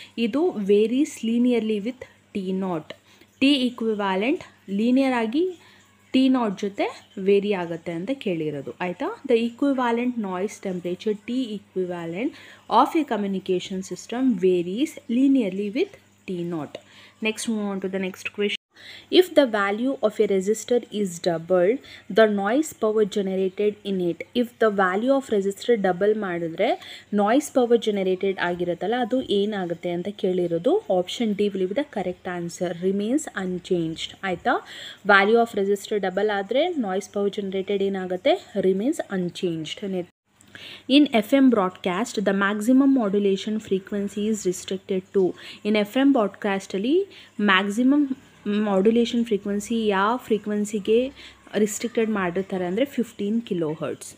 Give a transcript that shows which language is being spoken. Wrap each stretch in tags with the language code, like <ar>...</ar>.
<kn>ಇದು</kn> <en>Varies linearly with T naught.</en> <kn>T equivalent linear ಆಗಿ T not ಜೊತೆ very ಆಗುತ್ತೆ ಅಂತ ಕೇಳಿರೋದು.</kn> <en>ಆಯಿತಾ, the equivalent noise temperature T equivalent of a communication system varies linearly with T naught. Next move on to the next question. If the value of a resistor is doubled, the noise power generated in it. If the value of resistor double</en> <kn>ಮಾಡಿದ್ರೆ noise power generated ಆಗಿರುತ್ತಲ್ಲ ಅದು ಏನಾಗುತ್ತೆ ಅಂತ ಕೇಳಿರೋದು.</kn> <en>Option D will be the correct answer, remains unchanged.</en> <kn>ಆಯಿತಾ, value of resistor double ಆದರೆ noise power generated ಏನಾಗುತ್ತೆ?</kn> <en>Remains unchanged. In FM broadcast the maximum modulation frequency is restricted to.</en> <kn>In FM ಬ್ರಾಡ್ಕಾಸ್ಟಲ್ಲಿ maximum modulation frequency ಯಾವ ಫ್ರೀಕ್ವೆನ್ಸಿಗೆ restricted ಮಾಡಿರ್ತಾರೆ ಅಂದರೆ 15 kHz.</kn>